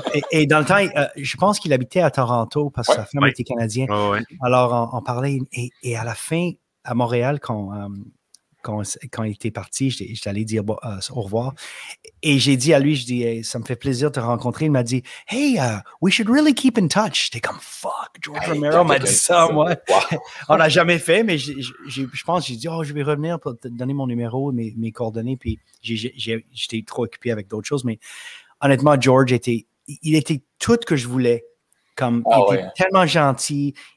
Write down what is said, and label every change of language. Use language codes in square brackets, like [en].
[fr] Et dans le temps, je pense qu'il habitait à Toronto parce que sa femme était canadienne. Alors on parlait et à la fin à Montréal quand il était parti, j'allais dire au revoir. Et j'ai dit à lui, je dis, hey, ça me fait plaisir de te rencontrer. Il m'a dit, [en] hey, we should really keep in touch. [fr] J'étais comme, fuck, George Romero m'a dit ça, moi. Wow. On n'a jamais fait, mais je pense, j'ai dit, oh, je vais revenir pour te donner mon numéro, mes coordonnées. Puis j'étais trop occupé avec d'autres choses. Mais honnêtement, George était, il était tout que je voulais. Il était tellement gentil.